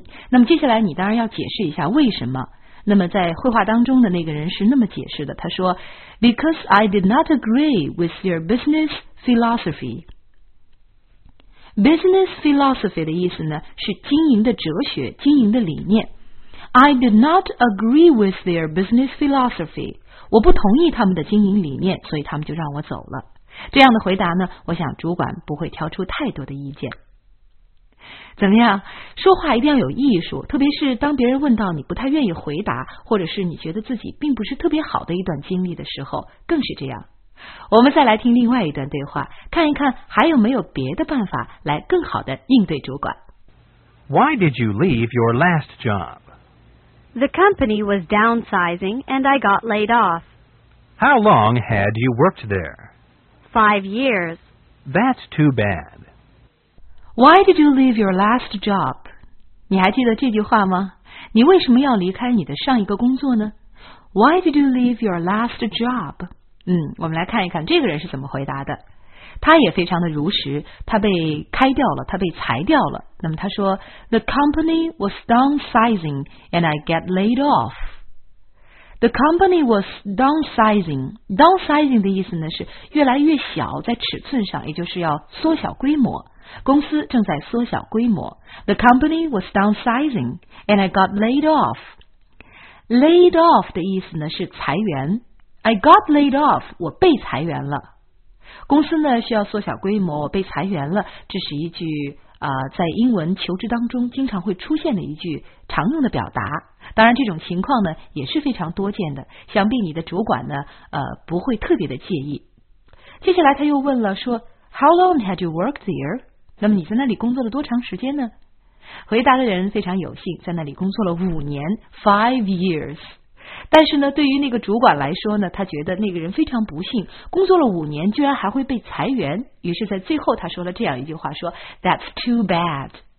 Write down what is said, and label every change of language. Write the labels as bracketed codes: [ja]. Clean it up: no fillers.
[zh] 那么接下来你当然要解释一下为什么。那么在会话当中的那个人是那么解释的，他说 [en] Because I did not agree with your business philosophy. [zh] Business philosophy 的意思呢是经营的哲学，经营的理念。 [en] I did not agree with their business philosophy. [zh] 我不同意他们的经营理念，所以他们就让我走了。这样的回答呢，我想主管不会挑出太多的意见。怎么样？说话一定要有艺术，特别是当别人问到你不太愿意回答，或者是你觉得自己并不是特别好的一段经历的时候，更是这样。我们再来听另外一段对话，看一看还有没有别的办法来更好的应对主管。 [en] Why did you leave your last job? The company was downsizing and I got laid off. How long had you worked there? 5 years. That's too bad. Why did you leave your last job? [zh] 你还记得这句话吗？你为什么要离开你的上一个工作呢？ [en] Why did you leave your last job? [zh] 我们来看一看这个人是怎么回答的。他也非常的如实，他被开掉了，他被裁掉了。那么他说 [en] ,The company was downsizing and I get laid off. The company was downsizing. [zh] Downsizing 的意思呢是越来越小，在尺寸上，也就是要缩小规模。公司正在缩小规模。 [en] The company was downsizing and I got laid off. [zh] Laid off 的意思呢是裁员。 [en] I got laid off, [zh] 我被裁员了。公司呢需要缩小规模，被裁员了，这是一句在英文求职当中经常会出现的一句常用的表达。当然这种情况呢也是非常多见的，想必你的主管呢不会特别的介意。接下来他又问了说 [en] How long had you worked there? [zh] 那么你在那里工作了多长时间呢？回答的人非常有幸，在那里工作了5年 [en] 5 years。 [zh] 但是呢，对于那个主管来说呢，他觉得那个人非常不幸，工作了5年，居然还会被裁员。于是，在最后他说了这样一句话：说 [en] "That's too bad."